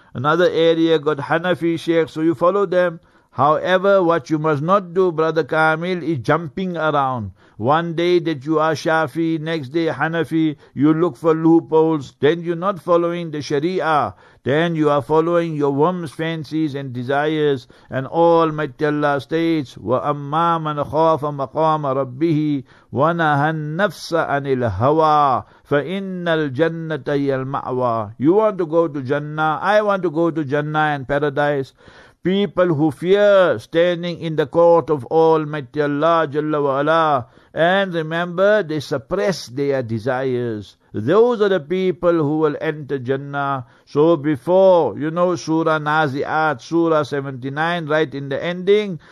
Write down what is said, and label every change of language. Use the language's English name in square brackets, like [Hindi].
[English] Another area got Hanafi sheikhs, so you follow them. However, what you must not do, brother Kamil, is jumping around. One day that you are Shafi, next day Hanafi, you look for loopholes, then you're not following the Sharia. Then you are following your whims, fancies and desires. And Almighty Allah states, [Arabic] وَأَمَّا مَنْ خَافَ مَقَامَ رَبِّهِ وَنَهَا النَّفْسَ عَنِ الْهَوَىٰ فَإِنَّ الْجَنَّةَ هِيَ الْمَأْوَىٰ. [English] You want to go to Jannah? I want to go to Jannah and paradise. People who fear standing in the court of Almighty Allah Jalla wa Ala, and remember, they suppress their desires. Those are the people who will enter Jannah. So before, you know, Surah Nazi'at, Surah 79, right in the ending.